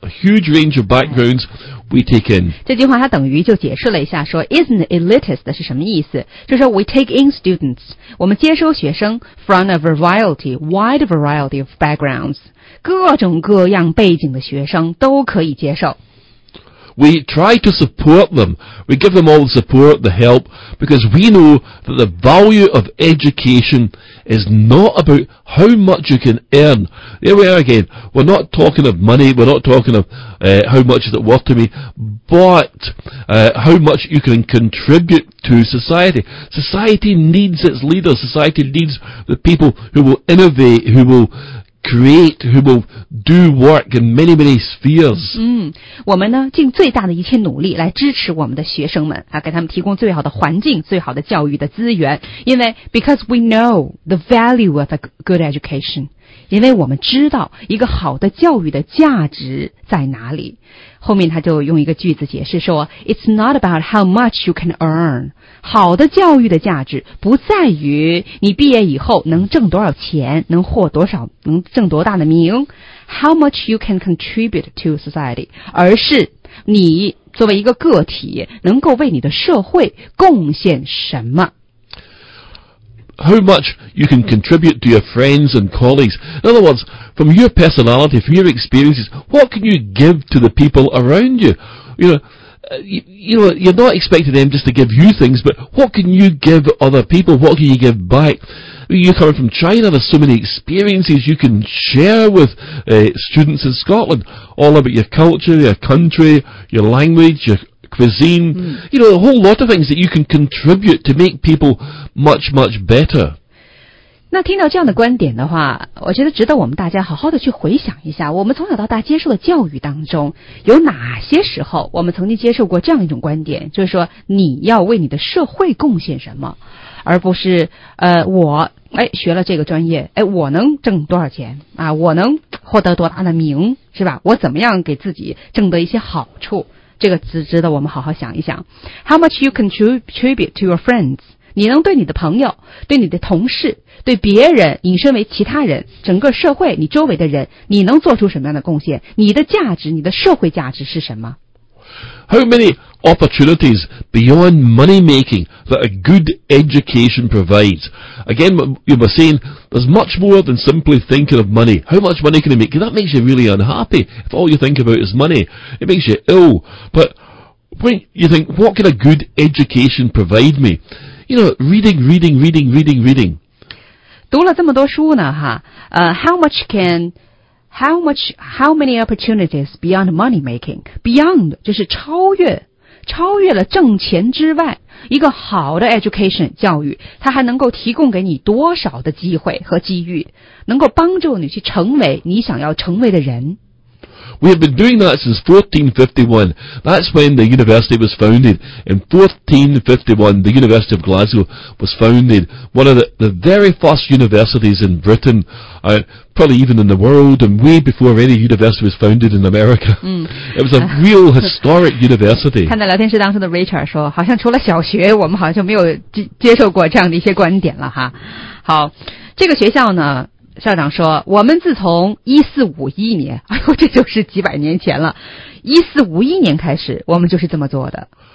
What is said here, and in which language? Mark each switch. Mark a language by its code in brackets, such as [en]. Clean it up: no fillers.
[en] A huge range of backgrounds we take in. [zh] 这句话它等于就解释了一下说 [en] isn't elitist [zh] 的是什么意思，就是说 [en] we take in students, [zh] 我们接收学生 [en] from a variety, wide variety of backgrounds. [zh] 各种各样背景的学生都可以接受。 [en] We try to support them. We give them all the support, the help, because we know that the value of education is not about how much you can earn. There we are again. We're not talking of money. We're not talking of how much is it worth to me, but how much you can contribute to society. Society needs its leaders. Society needs the people who will innovate, who will... create, who will do work in many, many spheres. [zh] 我们呢尽最大的一切努力来支持我们的学生们啊，给他们提供最好的环境，最好的教育的资源。因为 [en] because we know the value of a good education. [zh] 因为我们知道一个好的教育的价值在哪里。后面他就用一个句子解释说 [en] It's not about how much you can earn. [zh] 好的教育的价值不在于你毕业以后能挣多少钱，能获多少，能挣多大的名。 [en] How much you can contribute to society. [zh] 而是你作为一个个体能够为你的社会贡献什么。 [en] How much you can contribute to your friends and colleagues. In other words, from your personality, from your experiences, what can you give to the people around you? You know, you're not expecting them just to give you things, but what can you give other people? What can you give back? You're coming from China, there's so many experiences you can share with students in Scotland, all about your culture, your country, your language, yourcuisine, you know, a whole lot of things that you can contribute to make people much, much better. [zh] 那听到这样的观点的话，我觉得值得我们大家好好的去回想一下，我们从小到大接受的教育当中，有哪些时候我们曾经接受过这样一种观点，就是说你要为你的社会贡献什么，而不是我学了这个专业，我能挣多少钱啊？我能获得多大的名，是吧？我怎么样给自己挣得一些好处？这个值得我们好好想一想。 [en] How much you contribute to your friends? [zh] 你能对你的朋友，对你的同事，对别人，引申为其他人，整个社会，你周围的人，你能做出什么样的贡献？你的价值，你的社会价值是什么？ [en] How many opportunities beyond money making that a good education provides? Again, you were saying, there's much more than simply thinking of money. How much money can you make? That makes you really unhappy. If all you think about is money, it makes you ill. But when you think, what can a good education provide me? You know, reading, reading, reading, reading, reading. [zh] 读了这么多书呢，哈， [en] how many opportunities beyond money making? [zh] Beyond 就是超越，超越了挣钱之外，一个好的 education 教育，它还能够提供给你多少的机会和机遇，能够帮助你去成为你想要成为的人。 [en] We have been doing that since 1451. That's when the university was founded. In 1451, the University of Glasgow was founded. One of the very first universities in Britain, probably even in the world, and way before any university was founded in America. It was a real historic university. [zh] 看在聊天室当中的 Richard 说，好像除了小学，我们好像就没有接受过这样的一些观点了哈。好，这个学校呢，校长说，我们自从1451年，哎呦，这就是几百年前了，1451年开始，我们就是这么做的。